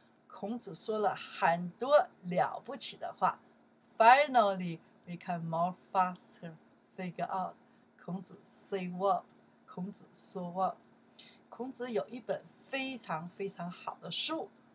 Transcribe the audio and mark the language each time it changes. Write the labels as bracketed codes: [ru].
[zh] 孔子说了很多了不起的话。 [en] Finally, we can more faster figure out 孔子 say what, [zh] 孔子说 [en] what. [zh] 孔子有一本非常非常好的书。